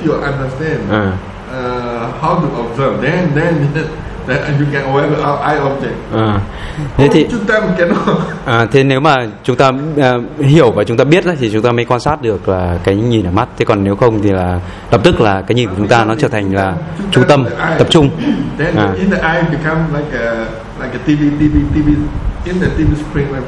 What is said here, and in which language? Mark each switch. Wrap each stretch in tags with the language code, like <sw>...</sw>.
<en>if you understand how to observe, then you can wear our eye object.</en> <vi>Thế thì chúng ta</vi> <en>cannot.</en> <vi>Thế nếu mà chúng ta hiểu và chúng ta biết thì chúng ta mới quan sát được là cái nhìn ở mắt. Thế còn nếu không thì là lập tức là cái nhìn của chúng ta nó trở thành là chú tâm tập trung.</vi> <en>Then in the eye become like a TV in the TV screen.</en>